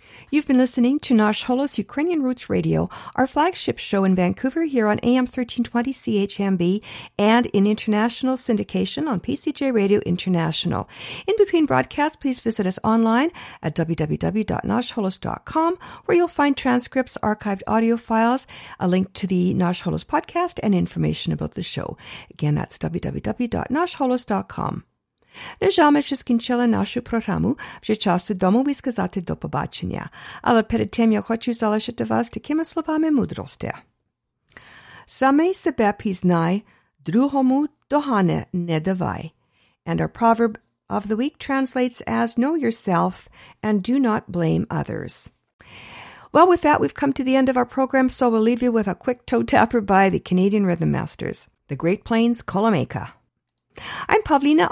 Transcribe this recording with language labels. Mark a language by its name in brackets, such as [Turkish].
[English] You've been listening to Nash Holos Ukrainian Roots Radio, our flagship show in Vancouver here on AM 1320 CHMB and in international syndication on PCJ Radio International. In between broadcasts, please visit us online at www.nashholos.com, where you'll find transcripts, archived audio files, a link to the Nash Holos podcast, and information about the show. Again, that's www.nashholos.com. [Ukrainian] Не жалме, що скінчили нашу програму, вже час домові сказати до побачення. Але перед тим я хочу залишити вас такими словами мудрості. Саме себе пізнай, другому догане не давай. [English] And our proverb of the week translates as know yourself and do not blame others. Well, with that, we've come to the end of our program, so we'll leave you with a quick toe tapper by the Canadian Rhythm Masters, the Great Plains Kolomeka. I'm Pavlina.